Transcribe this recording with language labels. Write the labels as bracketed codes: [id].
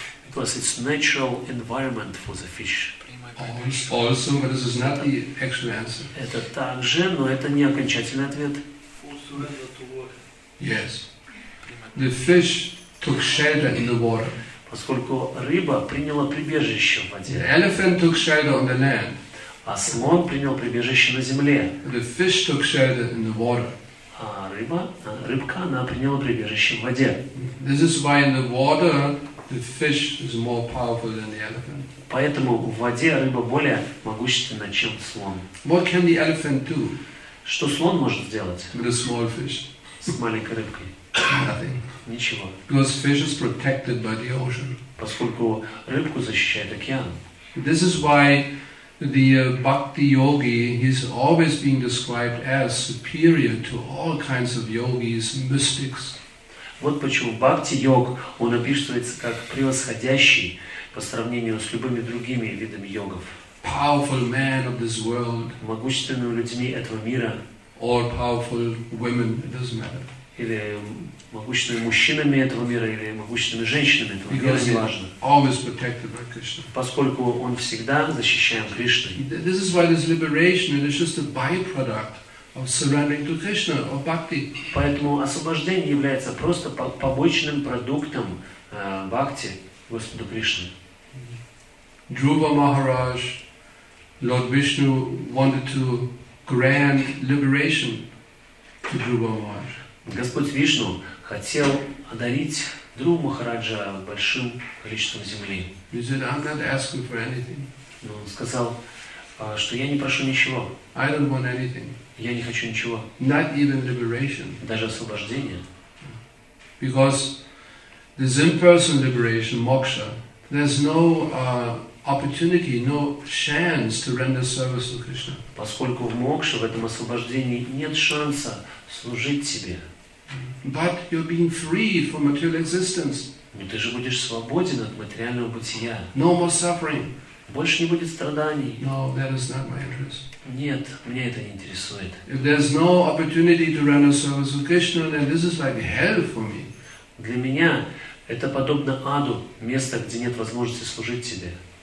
[en] Because it's natural environment for the fish. Also, but this is not the actual answer. [ru] Это также, но это не окончательный ответ. [en] Yes. The fish took shelter in the water. [ru] Поскольку рыба приняла прибежище в воде. [en] The elephant took shelter on the land. [ru] А слон принял прибежище на земле. [en] The fish took shelter in the water. [ru] А рыбка, она приняла прибежище в воде. [en] This is why in the water the fish is more powerful than the elephant. [ru] Поэтому в воде рыба более могущественна, чем слон. [en] What can the elephant do? [ru] Что слон может сделать? [en] With a small fish. [ru] С маленькой рыбкой. [en] Nothing. [ru] Ничего. [en] Because fish is protected by the ocean. [ru] Поскольку рыбку защищает океан. [en] This is why the bhakti yogi is always being described as superior to all kinds of yogis, mystics. [ru] Вот почему бхакти йог он описывается как превосходящий по сравнению с любыми другими видами йогов. [en] Powerful men of this world. [ru] Могущественными людьми этого мира. [en] Or powerful women, it doesn't matter. [ru] Или могущественными мужчинами этого мира, или могущественными женщинами этого мира, [en] because [ru] неважно. [en] Always protected by Krishna. [ru] Поскольку он всегда защищаем Кришной. [en] This is why this liberation is just a byproduct of surrendering to Krishna, of bhakti. [ru] Поэтому освобождение является просто побочным продуктом бхакти Господу Кришне. [en] Dhruva Maharaj, Lord Vishnu, wanted to grant liberation to Dhruva Maharaj. [ru] Господь Вишну хотел одарить Друму Махараджа большим количеством земли. [en] He said, I'm not asking for anything. [ru] Но он сказал, что я не прошу ничего. [en] I don't want anything. [ru] Я не хочу ничего. [en] Not even liberation. [ru] Даже освобождение. [en] Because this in-person liberation, moksha, there's no opportunity, no chance to render service to Krishna. [ru] Поскольку в мокше, в этом освобождении, нет шанса служить тебе. [en] But you're being free from material existence. [ru] Но ты же будешь свободен от материального бытия. [en] No more suffering. [ru] Больше не будет страданий. [en] No, that is not my interest. [ru] Нет, меня это не интересует. [en] If there's no opportunity to render service to Krishna, then this is like hell for me. [ru] Для меня это подобно аду, место, где нет возможности служить тебе.